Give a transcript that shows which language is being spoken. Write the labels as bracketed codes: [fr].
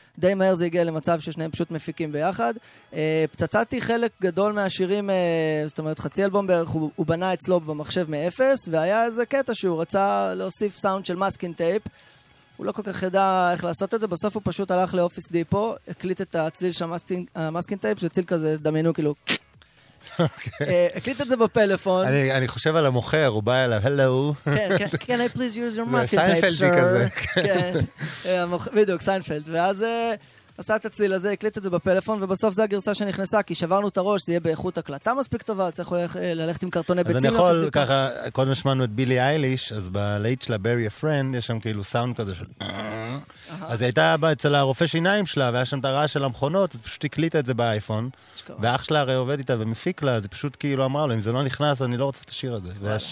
[he] די מהר זה הגיע למצב ששניהם פשוט מפיקים ביחד. פצצתי חלק גדול מהשירים, זאת אומרת, חצי אלבום בערך, הוא בנה אצלו במחשב מאפס, והיה איזה קטע שהוא רצה להוסיף סאונד של מסקין טייפ. הוא לא כל כך ידע איך לעשות את זה, בסוף הוא פשוט הלך לאופיס דיפו, הקליט את הצליל של המסקין טייפ, זה ציל כזה, דמיינו כאילו... הקליט את זה בפלאפון. אני חושב על המוכר, הוא בא אליו, הלו. [en] כן, can I please use your masking tape, sir? [he] סיינפלדי כזה. בדיוק, סיינפלד. ואז עשה את הציל הזה, הקליט את זה בפלאפון, ובסוף זה הגרסה שנכנסה, כי שברנו את הראש, זה יהיה באיכות הקלטה מספיק טובה, צריך ללכת עם קרטוני ביצים. אז אני יכול ככה, קודם שמענו את בילי אייליש, אז בלייט שלה, בארי אפרנד, יש שם כאילו סאונד כזה של... אז היא הייתה אצל הרופא שיניים שלה, והיה שם את הרעש של המכונות, אז פשוט הקליטה את זה באייפון, ואח שלה הרי עובד איתה ומפיק לה, אז היא פשוט כאילו אמרה לו, אם זה לא נכנס, אני לא רוצה את השיר הזה.